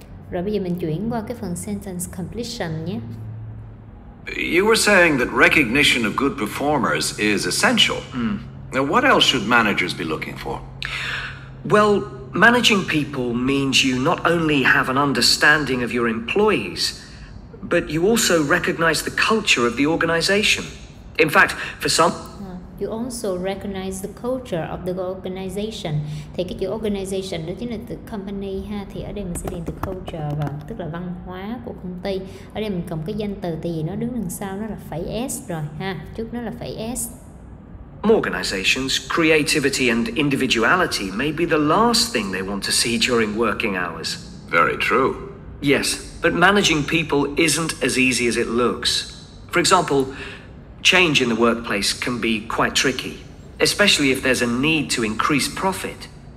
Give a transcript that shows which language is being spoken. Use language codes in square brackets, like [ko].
[vi] Rồi bây giờ mình chuyển qua cái phần [en] sentence completion [vi] nhé. [en] You were saying that recognition of good performers is essential. Mm. Now, what else should managers be looking for? Well, managing people means you not only have an understanding of your employees, but you also recognize the culture of the organization. In fact, for some... You also recognize the culture of the organization. [vi] Thì cái chữ organization đó chính là từ company ha. Thì ở đây mình sẽ điền từ culture và tức là văn hóa của công ty. Ở đây mình cầm cái danh từ tại vì nó đứng đằng sau nó là phẩy S rồi ha. Trước nó là phẩy S. [en] Organizations, creativity and individuality may be the last thing they want to see during working hours. Very true. Yes, but managing people isn't as easy as it looks. For example, change in the workplace can be quite tricky, especially if there's a need to increase profit.